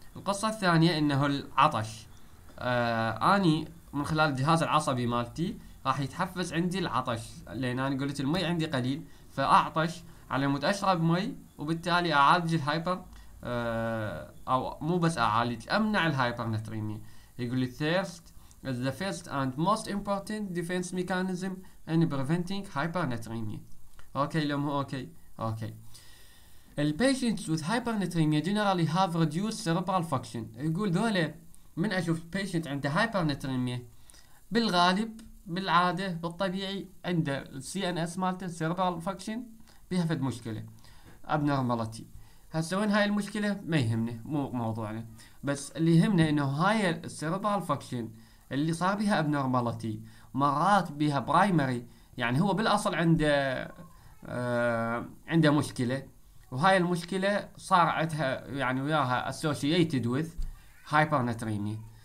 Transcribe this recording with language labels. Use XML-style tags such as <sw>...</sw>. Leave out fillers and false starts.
<ar>القصه الثانيه انه العطش. اني من خلال الجهاز العصبي مالتي راح يتحفز عندي العطش، لان انا قلت المي عندي قليل، فاعطش على مود اشرب مي، وبالتالي اعالج الهايبر، او مو بس اعالج، امنع الهايبرناتريميا. يقول لي</ar> <en>thirst is the first and most important defense mechanism in preventing hypernatremia.</en> <ar>اوكي لو مو اوكي اوكي.</ar> <en>ال patients with hypernatremia generally have reduced cerebral function.</en> <ar>يقول ذولا من اشوف patient عنده hypernatremia بالغالب بالعاده بالطبيعي عنده السي ان اس مالته السيربرال فانكشن بها فد مشكله ابنورمالتي. هسه وين هاي المشكله ما يهمنا، مو موضوعنا، بس اللي يهمنا انه هاي السيربرال فانكشن اللي صار بها ابنورمالتي مرات بها برايمري، يعني هو بالاصل عنده مشكله، وهاي المشكله صار عندها يعني وياها اسوشيتد وذ هايبرناتريميا.</ar>